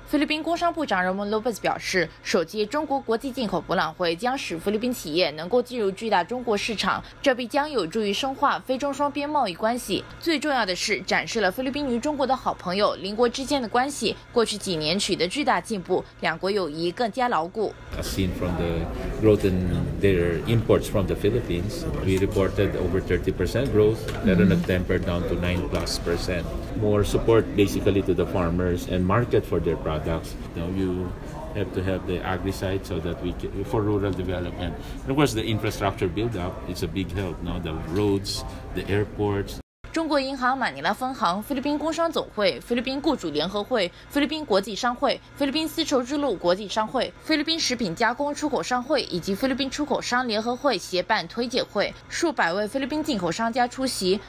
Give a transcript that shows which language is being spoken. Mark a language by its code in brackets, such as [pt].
[zh] 菲律宾工商部长 Roman Lopez 表示，首届中国国际进口博览会将使菲律宾企业能够进入巨大中国市场，这必将有助于深化菲中双边贸易关系，最重要的是展示了菲律宾与中国的好朋友邻国之间的关系过去几年取得巨大进步，两国友谊更加牢固。 [en] As seen from the growth in their imports from the Philippines, we reported over 30% growth, that on a temper down to 9+%. More support basically to the farmers and market for their products. Now youhave to have the agri side so that we can, for rural development. And of course, the infrastructure build up is a big help, no? The roads, the airports. [zh] 中国银行马尼拉分行、菲律宾工商总会、菲律宾雇主联合会、菲律宾国际商会、菲律宾丝绸之路国际商会、菲律宾食品加工出口商会以及菲律宾出口商联合会协办推介会，数百位菲律宾进口商家出席。